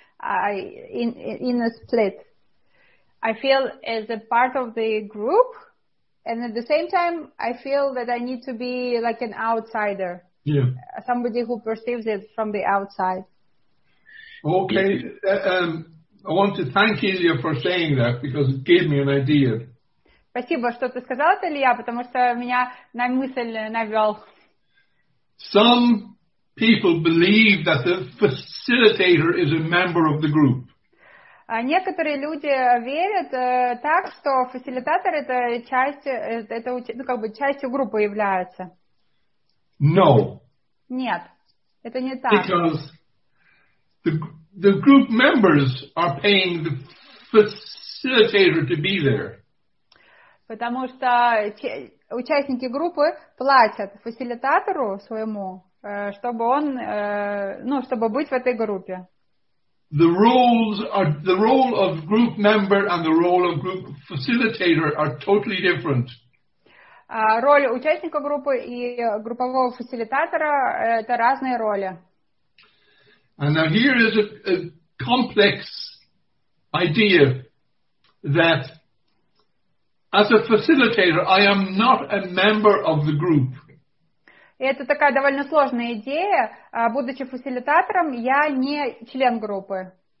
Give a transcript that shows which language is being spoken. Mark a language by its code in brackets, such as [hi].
[en] In a split, I feel as a part of the group, and at the same time, I feel that I need to be like an outsider. Yeah. Somebody who perceives it from the outside. Okay. I want to thank Ilya for saying that because it gave me an idea. [ru] Спасибо, что ты сказал это, Илья, потому что меня на мысль навел. [en] Some people believe that the facilitator is a member of the group. [ru] Некоторые люди верят так, что фасилитатор это часть, это ну как бы частью группы является. [en] No. [ru] Нет, это не так. [en] Because the group members are paying the facilitator to be there. [ru] Потому что участники группы платят фасилитатору своему, чтобы он, ну, чтобы быть в этой группе. [en] The roles are the role of group member and the role of group facilitator are totally different. [ru] Роль участника группы и группового фасилитатора – это разные роли. [en] And now here is a complex idea that as a facilitator I am not a member of the group. [ru] Это такая довольно сложная идея. Будучи фасилитатором, я не член группы.